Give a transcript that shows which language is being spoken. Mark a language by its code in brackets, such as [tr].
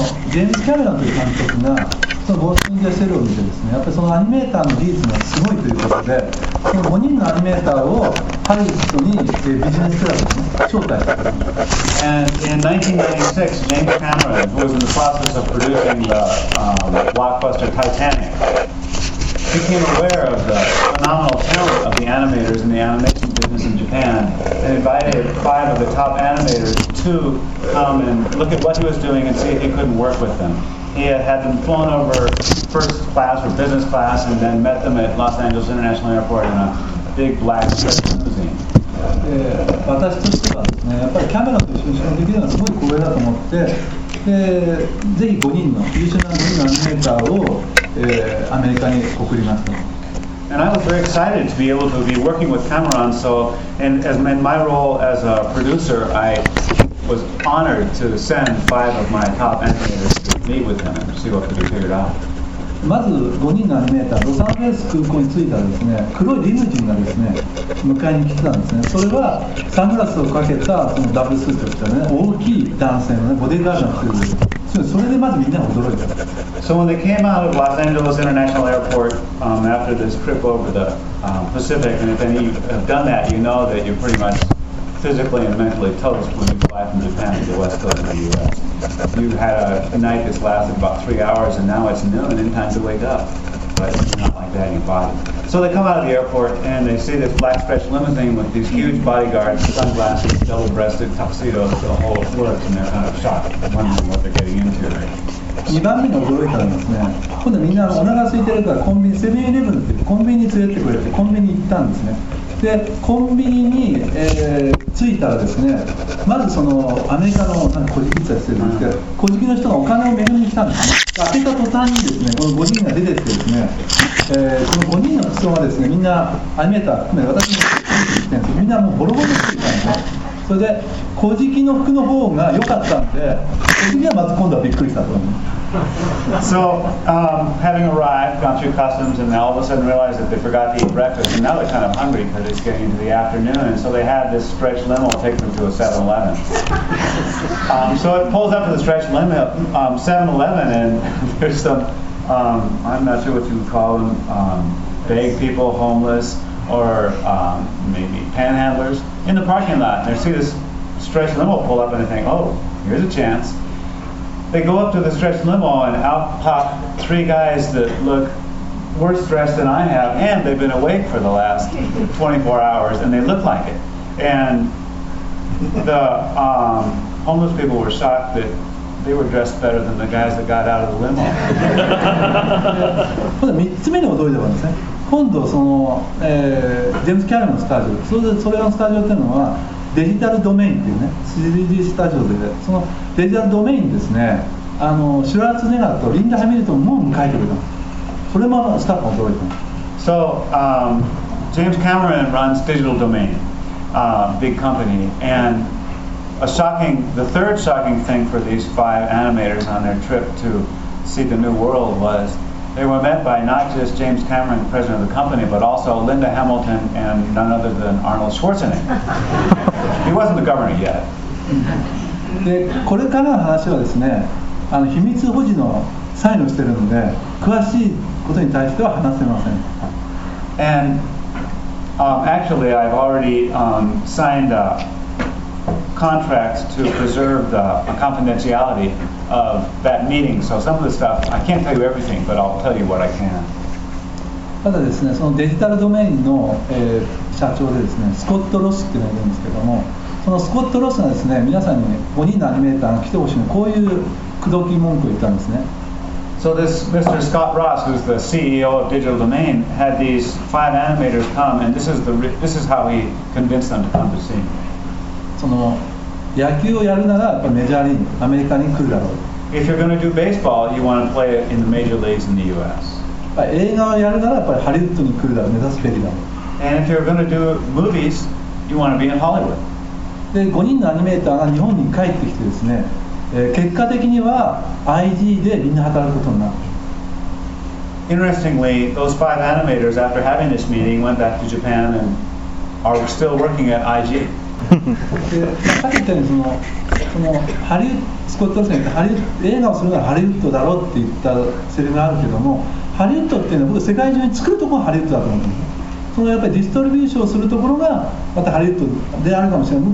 [ja] James Cameron という監督がそのゴーストインザシェルを見てですねやっぱりそのアニメーターの技術がすごいということでその5人のアニメーターをハリウッドにビジネスクラスに招待したんです。 [en] And in 1996 James Cameron was in the process of producing the blockbuster Titanic became aware of the phenomenal talent of the animators in the animation business in Japan and invited five of the top animators to come and look at what he was doing and see if he couldn't work with them. He had them flown over first class or business class and then met them at Los Angeles International Airport in a big black limousine. [ja] 私としてはですね、やっぱりキャメロンと一緒に仕事できるのはすごい光栄だと思って、ぜひ5人の優秀な5人のアニメーターを、アメリカに送りました。 [en] And I was very excited to be able to be working with Cameron, so, and as in my role as a producer, I was honored to send five of my top animators to meet with him and see what could be figured out. [ja] まず5人のアニメーターロサンゼルス空港に着いたらですね黒いリムジンがですね迎えに来てたんですね。それはサングラスをかけたそのダブルスーツを着たね大きい男性のねボディーガードの服です。それでまずみんな驚いた。 [en] So when they came out of Los Angeles International Airport、after this trip over the、Pacific, and if any have done that, you know that you're pretty much physically and mentally toast when you fly from Japan to the west coast of the USYou had a night that lasted about 3 hours, and now it's noon and time to wake up. But it's not like that in your body. So they come out of the airport and they see this black stretch limousine with these huge bodyguards, sunglasses, double-breasted tuxedos, the whole works, and they're kind of shocked, wondering what they're getting into. [ja] 2番目が驚いたんですね。今度みんなお腹空いてるからコンビニ、セブンイレブンってコンビニに連れてくれてコンビニ行ったんですね。でコンビニに、着いたらですねまずそのアメリカのなんか小じきってやつですけど小じきの人がお金を恵みに来たんですね。開けた途端にですねこの5人が出てきてですね、この5人の服装がですねみんなアニメーター含め私も着てきてみんなもうボロボロ着てたんですね。それで小じきの服の方が良かったんで小じきはまず今度はびっくりしたと思います。 [en] So, having arrived, gone through customs, and all of a sudden realized that they forgot to eat breakfast, and now they're kind of hungry because it's getting into the afternoon, and so they had this stretch limo take them to a 7-Eleven. So it pulls up to the stretch limo, 7-Eleven, and there's some, I'm not sure what you would call them, vague people, homeless, or maybe panhandlers, in the parking lot, and they see this stretch limo pull up, and they think, oh, here's a chance. They go up to the stretch limo and out pop three guys that look worse dressed than I have, and they've been awake for the last 24 hours, and they look like it. And the homeless people were shocked that they were dressed better than the guys that got out of the limo. [ja] 3つ目に驚いたんですね。今度その、ジェームズ・キャメロンのスタジオ、それのスタジオっていうのはデジタルドメインっていうね、3D スタジオで、そのデジタルドメインですね、シュラーツネガーとリンダ・ハミルトンも迎えてくれた。それもスタッフが驚いてます。 [en] So, James Cameron runs Digital Domain, a big company, and the third shocking thing for these five animators on their trip to see the new world was they were met by not just James Cameron, the president of the company, but also Linda Hamilton and none other than Arnold Schwarzenegger. He wasn't the governor yet. [ja] で、これからの話はですね、秘密保持のサインをしてるので、詳しいことに対しては話せません。 [en] And actually, I've already signed a contract to preserve the confidentiality of that meeting. So some of the stuff, I can't tell you everything, but I'll tell you what I can. [ja] ただですね、そのデジタルドメインの、社長でですね、スコット・ロスっていうのがいるんですけども、そのスコット・ロスがですね、皆さんに、ね、5人のアニメーターが来てほしいのこういう口説き文句を言ったんですね。 [en] So this Mr. Scott Ross, who's the CEO of Digital Domain, had these five animators come, and this is how he convinced them to come to see. [ja] その野球をやるならやっぱメジャーリーグ、アメリカに来るだろう。 [en] If you're going to do baseball, you want to play in the major leagues in the U.S. [ja] 映画をやるならやっぱりハリウッドに来るだろう、目指すべきだろう。 [en] And if you're going to do movies, you want to be in Hollywood. [ja] で、5人のアニメーターが日本に帰ってきてですね、結果的には IG でみんな働くことになる。 [en] Interestingly, those five animators, after having this meeting, went back to Japan and are still working at IG. [ja] で、さっき言ったようにハリウッド、スコット・ロスが言った映画をするならハリウッドだろうって言ったセリフがあるけども、ハリウッドっていうのは僕世界中に作るところがハリウッドだと思うんです。そのやっぱりディストリビューションをするところがまたハリウッドであるかもしれない。